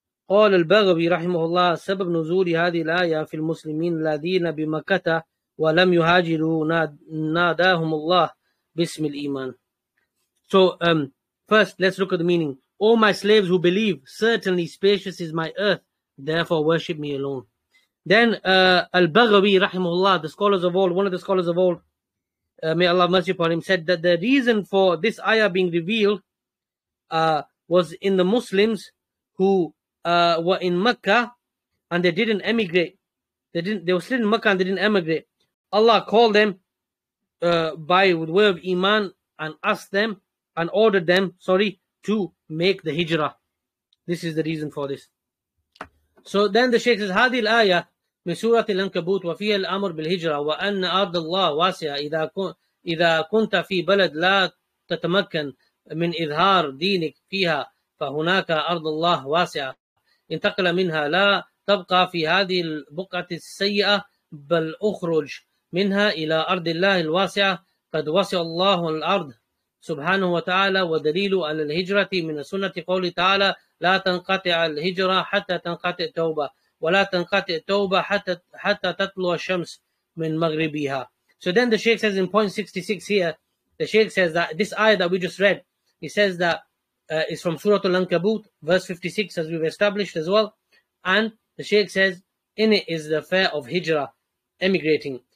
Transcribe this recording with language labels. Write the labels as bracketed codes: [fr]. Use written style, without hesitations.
[ar] قال البغوي رحمه الله سبب نزول هذه الآية في المسلمين الذين بمكة ولم يهاجروا ناداهم الله باسم الإيمان. [en] So first let's look at the meaning. O my slaves who believe, certainly spacious is my earth, therefore worship me alone. Then البغوي رحمه الله, the scholars of old, one of the scholars of old, may Allah have mercy upon him, said that the reason for this ayah being revealed was in the Muslims who were in Mecca and they didn't emigrate. They were still in Mecca and they didn't emigrate. Allah called them by the way of Iman and asked them and ordered them, to make the hijrah. This is the reason for this. [ar] So then the Shaykh says, هذه الآية من سورة الأنكبوت وفيها الأمر بالهجرة وأن أرض الله واسعة إذا كنت في بلد لا تتمكن من إظهار دينك فيها فهناك أرض الله واسعة انتقل منها لا تبقى في هذه البقعة السيئة بل أخرج منها إلى أرض الله الواسعة قد وسع الله الأرض سبحانه وتعالى ودليل على الهجرة من السنة قوله تعالى لا تنقطع الهجرة حتى تنقطع توبة ولا تنقطع توبة حتى تطلع الشمس من مغربها. [en] So then the Sheikh says in point 66 here, the Sheikh says that this ayah that we just read, he says that is from Surah Al-Ankabut, verse 56, as we've established as well. And the Shaykh says, in it is the affair of hijrah, emigrating.